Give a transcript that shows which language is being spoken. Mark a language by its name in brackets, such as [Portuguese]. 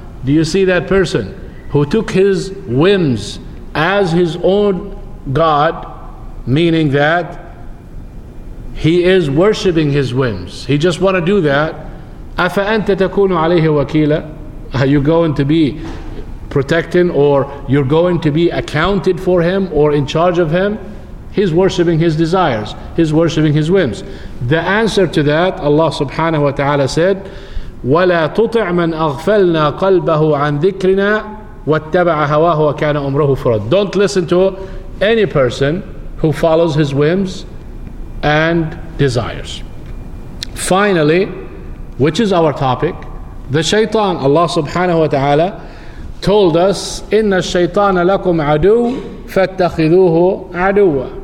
[English] Do you see that person who took his whims as his own God, meaning that he is worshipping his whims. He just want to do that. [Arabic] أَفَأَنْتَ تَكُونُ عَلَيْهِ وَكِيلًا. [English] Are you going to be protecting, or you're going to be accounted for him or in charge of him? He's worshipping his desires. He's worshipping his whims. The answer to that, Allah subhanahu wa ta'ala said, [Arabic] وَلَا تُطِعْ مَنْ أَغْفَلْنَا قَلْبَهُ عَنْ ذِكْرِنَا وَاتَّبَعَ هَوَاهُ وَكَانَ أُمْرَهُ فُرَدْ. [English] Don't listen to any person who follows his whims and desires. Finally, which is our topic, the shaitan, Allah subhanahu wa ta'ala told us, [Arabic] إِنَّ الشَّيْطَانَ لَكُمْ عَدُوٌ فَاتَّخِذُوهُ عَدُوًا.